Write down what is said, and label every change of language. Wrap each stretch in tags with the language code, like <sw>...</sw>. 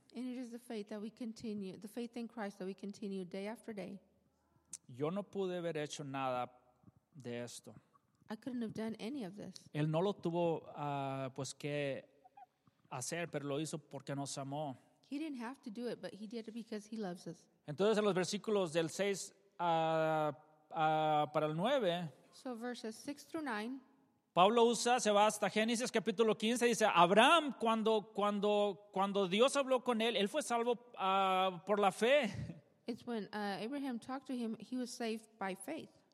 <en>And it is the faith that we continue, the faith in Christ that we continue day after day.</en> <es>Yo no pude haber hecho nada de esto.</es> <en>I couldn't have done any of this.</en> <es>Él no lo tuvo pues que hacer, pero lo hizo porque nos amó.</es> <en>He didn't have to do it, but he did it because he loves us.</en> <es>Entonces en los versículos del 6 para el 9,</es> <en>so verses 6 through 9,</en> <es>Pablo usa, se va hasta Génesis capítulo 15, dice Abraham cuando Dios habló con él, él fue salvo por la fe.</es> <en>It's when Abraham talked to him, he was saved by faith.</en>